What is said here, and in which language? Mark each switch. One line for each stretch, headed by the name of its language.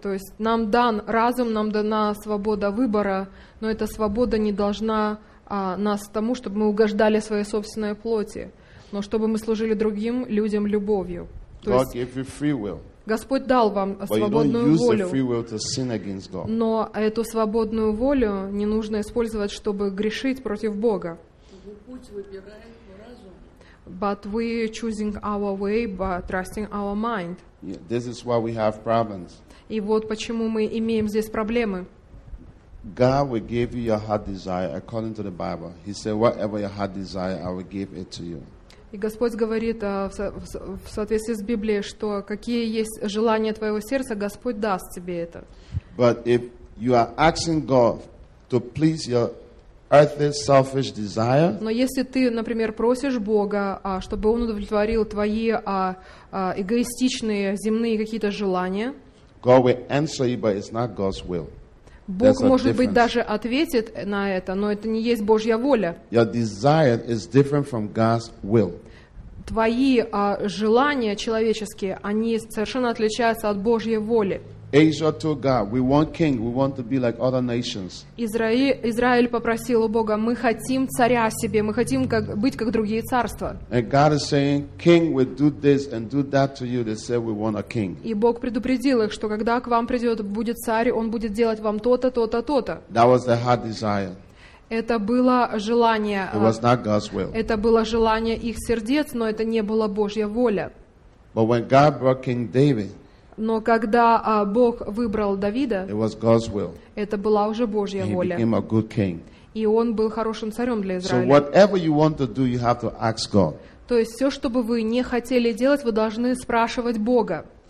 Russian: То есть нам дан разум, нам дана свобода выбора, но эта свобода не должна нас тому, чтобы мы угождали своей собственной плоти, но чтобы мы служили другим людям любовью.
English: То God gave you free will.
Russian: Господь дал вам свободную волю.
English: But you don't the free will to sin against God.
Russian: Но эту свободную волю не нужно использовать, чтобы грешить против Бога.
English: But we choosing our way by trusting our mind. Yeah, this is why we have problems.
Russian: И вот почему мы имеем здесь проблемы.
English: God will give you your heart desire according to the Bible. He said, whatever your heart desire, I will give it to you.
Russian: И Господь говорит в соответствии с Библией, что какие есть желания твоего сердца, Господь даст тебе это.
English: But if you are asking God to please your earthly selfish desire.
Russian: Но если ты, например, просишь Бога, чтобы Он удовлетворил твои эгоистичные земные какие-то желания,
English: God will answer you, but it's not God's will.
Russian: Бог, может быть, даже ответит на это, но это не есть Божья воля.
English: Your desire is different from God's will.
Russian: Твои желания человеческие, они совершенно отличаются от Божьей воли.
English: Asia to God. We want king. We want to be like other nations.
Russian: Израиль попросил у Бога, мы хотим царя себе, мы хотим как, быть как другие царства.
English: And God is saying, king will do this and do that to you. They said, we want a king.
Russian: И Бог предупредил их, что когда к вам придет, будет царь, он будет делать вам то-то, то-то, то-то.
English: That was the heart desire.
Russian: Это было желание.
English: It was not God's will.
Russian: Это было желание их сердец, но это не была Божья воля.
English: But when God brought King David,
Russian: но когда Бог выбрал Давида,
English: it was God's will.
Russian: Это была уже Божья
English: and
Russian: воля.
English: He became a good king.
Russian: И он был хорошим царем для Израиля.
English: So whatever you want to do, you have to ask God.
Russian: То есть все, что бы вы не хотели делать, вы должны спрашивать Бога.